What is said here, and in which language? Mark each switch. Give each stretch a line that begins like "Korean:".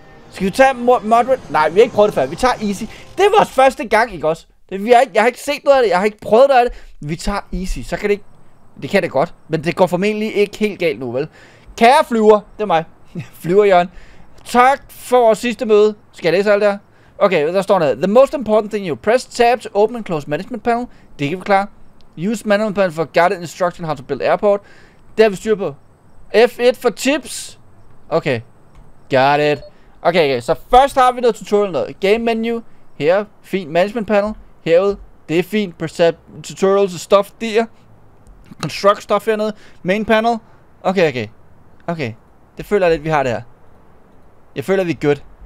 Danish: Skal vi tage moderate? Nej, vi har ikke prøvet det før. Vi tager easy. Det er vores første gang, ikke også? Jeg har ikke set noget af det. Jeg har ikke prøvet noget af det. Vi tager easy. Så kan det ikke... Det kan det godt. Men det går formentlig ikke helt galt nu, vel? Kære flyver. Det er mig. Flyver Jørgen. Tak for vores sidste møde. Skal jeg læse alt det her? Okay, der står noget.
English: The most important thing, you press tab to open and close management panel.
Danish: Det kan vi klare.
English: Use management panel for guided instruction how to build airport.
Danish: Det har vi styr på. F1 for tips.
English: Okay. Got it.
Danish: Okay, så først har vi noget tutorial noget. Game menu. Her. Fint. Management panel. Herude. Det er fint.
English: Tutorials og stuff der. Construct stuff hernede. Main panel. Okay.
Danish: Det føler jeg lidt, vi har det her. Jeg føler, at vi er good.